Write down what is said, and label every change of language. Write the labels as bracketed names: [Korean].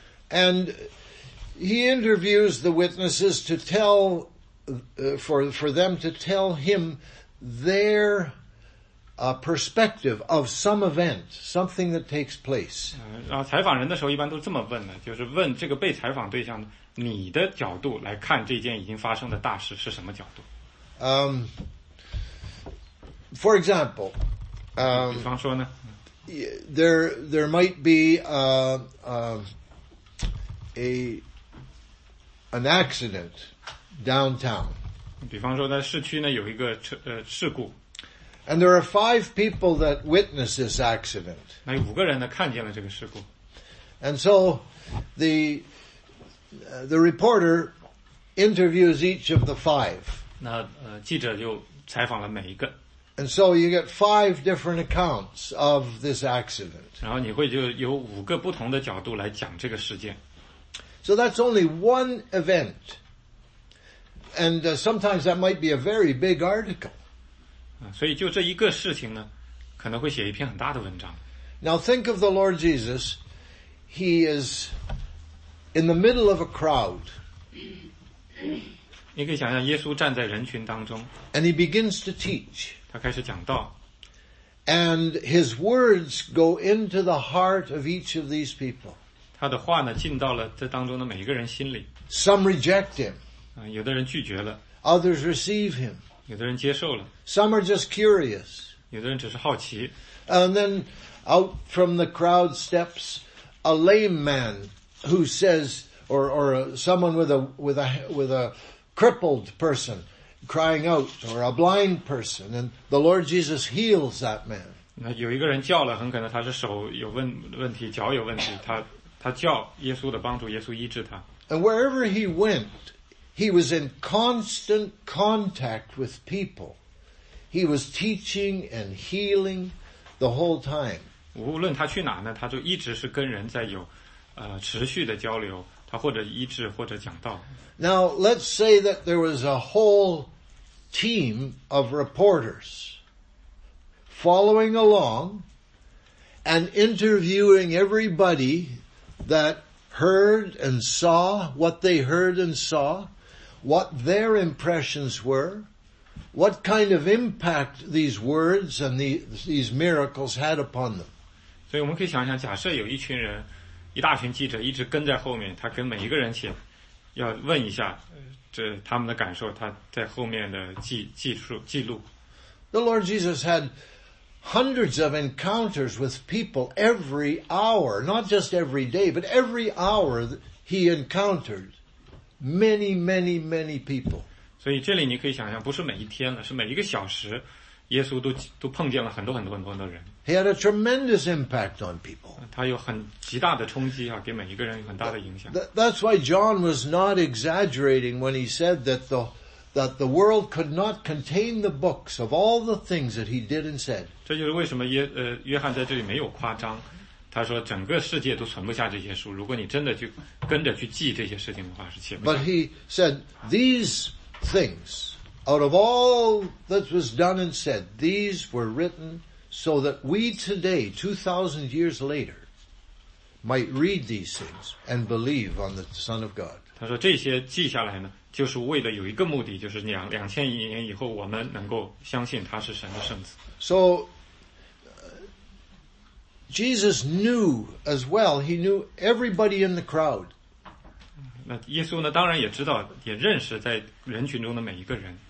[English] And he interviews the witnesses to tell, for them to tell him their perspective of some event, something that takes place. [Chinese] 然后采访人的时候一般都这么问的，就是问这个被采访对象，你的角度来看这件已经发生的大事是什么角度。 [English] For example, there might be an accident downtown. [Chinese] 比方说在市区呢有一个事故。 [English] And there are five people that witness this accident. [Chinese] 那五个人呢看见了这个事故。 [English] And so the reporter interviews each of the five. [Chinese] 那记者就采访了每一个。 [English] And so you get five different accounts of this accident. [Chinese] 然后你会就有五个不同的角度来讲这个事件。 [English] So that's only one event. And sometimes that might be a very big article. [Chinese] 所以就这一个事情呢，可能会写一篇很大的文章。 [English] Now think of the Lord Jesus. He is in the middle of a crowd. [Chinese] 你可以想象耶稣站在人群当中。 [English] And he begins to teach. [Chinese] 他开始讲道。 [English] And his words go into the heart of each of these people. [Chinese] 他的话呢进到了这当中的每一个人心里。 [English] Some reject him. [Chinese] 有的人拒绝了。 [English] Others receive him. [Chinese] 有的人接受了。 [English] Some are just curious. [Chinese] 有的人只是好奇。 [English] And then out from the crowd steps a lame man who says, or someone with a crippled person. Crying out, or a blind person, and the Lord Jesus heals that man. [Chinese] 那有一个人叫了，很可能他是手有问题，脚有问题，他叫耶稣的帮助，耶稣医治他。 [English] And wherever he went, he was in constant contact with people. He was teaching and healing the whole time. [Chinese] 无论他去哪呢，他就一直是跟人在有持续的交流。他或者医治或者讲道。 [English] Now, let's say that there was a whole team of reporters following along and interviewing everybody that heard and saw, what they heard and saw, what their impressions were, what kind of impact these words and these miracles had upon them. [Chinese] 所以我们可以想想，假设有一群人，一大群记者一直跟在后面，他跟每一个人写，要问一下这他们的感受，他在后面的记录。 [English] The Lord Jesus had hundreds of encounters with people every hour, not just every day, but every hour he encountered many, many, many people. [Chinese] 所以这里你可以想象，不是每一天了，是每一个小时，耶稣都碰见了很多很多很多的人。 [English] He had a tremendous impact on people. [Chinese] 他有很极大的冲击啊，给每一个人很大的影响。 [English] That's why John was not exaggerating when he said that the world could not contain the books of all the things that he did and said. [Chinese] 这就是为什么约翰在这里没有夸张，他说整个世界都存不下这些书。如果你真的去跟着去记这些事情的话，是写不下。 [English] But he said these things, out of all that was done and said, these were written so that we today, 2,000 years later, might read these things and believe on the Son of God. [Chinese] 他说这些记下来呢，就是为了有一个目的，就是2000年以后我们能够相信他是神的圣子。 [English] So, Jesus knew as well, he knew everybody in the crowd. [Chinese] 那耶稣呢，当然也知道，也认识在人群中的每一个人。